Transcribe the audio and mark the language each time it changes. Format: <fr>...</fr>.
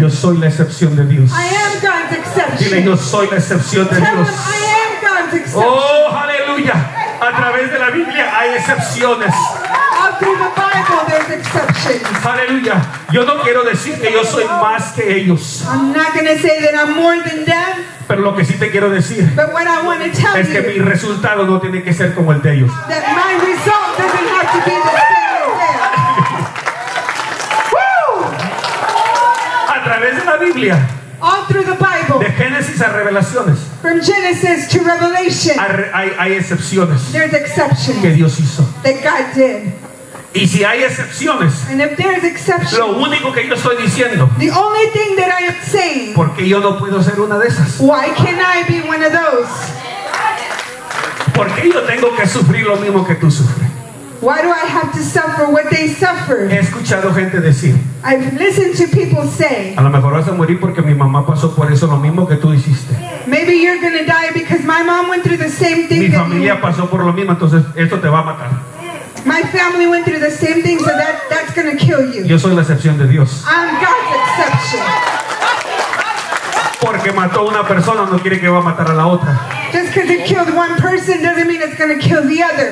<es>Yo soy la excepción de Dios.</es> <en>I am God's exception.</en> <es>Dile, yo soy la excepción de</es> <en>tell</en> <es>Dios.</es> <en>Him, I am God's exception.</en> <es>Oh, aleluya. A través de la Biblia hay excepciones.</es> <en>All through the Bible there's exceptions.</en> <es>Aleluya. Yo no quiero decir que yo soy más que ellos.</es> <en>I'm not going to say that I'm more than them.</en> <es>Pero lo que sí te quiero decir es que mi resultado no tiene que ser como el de ellos.</es> <en>That my result doesn't have to be the same as them. Woo!</en> <es>A través de la Biblia.</es> <en>All through the Bible.</en> <es>De Génesis a Revelaciones.</es> <en>From Genesis to Revelation.</en> <es>Hay excepciones.</es> <en>There's exceptions.</en> <es>Que Dios hizo.</es> <en>That God did.</en> <es>Y si hay excepciones,</es> <en>and if there's exceptions,</en> <es>lo único que yo estoy diciendo,</es> <en>the only thing that I am saying,</en> <es>porque yo no puedo ser una de esas.</es> <en>Why can't I be one of those?</en> <es>Porque yo tengo que sufrir lo mismo que tú sufres.</es> <en>Why do I have to suffer what they suffer?</en> <es>He escuchado gente decir.</es> <en>I've listened to people say.</en> <es>A lo mejor vas a morir porque mi mamá pasó por eso lo mismo que tú hiciste.</es> <en>Maybe you're gonna die because my mom went through the same thing.</en> <es>Mi familia pasó por lo mismo, entonces esto te va a matar.</es> <en>My family went through the same thing, so that's gonna kill you.</en> <es>Yo soy la excepción de Dios.</es> <en>I'm God's exception.</en> <es>Porque mató una persona no quiere que va a matar a la otra.</es> <en>Just because it killed one person doesn't mean it's going to kill the other.</en>